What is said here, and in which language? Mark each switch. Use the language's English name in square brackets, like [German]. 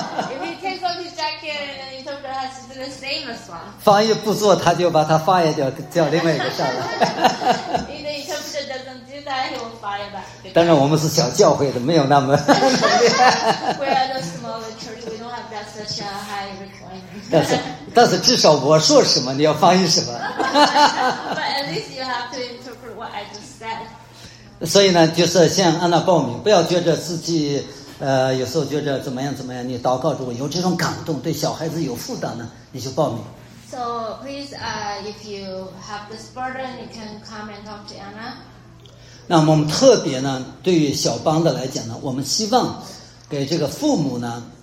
[English] If he takes off his jacket, and the interpreter has to do the same as well. [Chinese] 翻译不做，他就把他发言掉，叫另外一个上来。 [English] If the interpreter doesn't do that, he will fire back. [Chinese] 但是我们是小教会的，没有那么。 [English] We are the smaller church. We don't have that such a high requirement. [Chinese] 但是至少我说什么，你要翻译什么。 [English] But at least you have to interpret what I just said. [Chinese] 所以呢，就是向安娜报名，不要觉得自己，有时候觉得怎么样，你祷告中有这种感动，对小孩子有负担呢，你就报名。 [English] So please, if you have this burden, you can come and talk to Anna. [Chinese] 那么我们特别呢，对于小帮的来讲呢，我们希望给这个父母呢。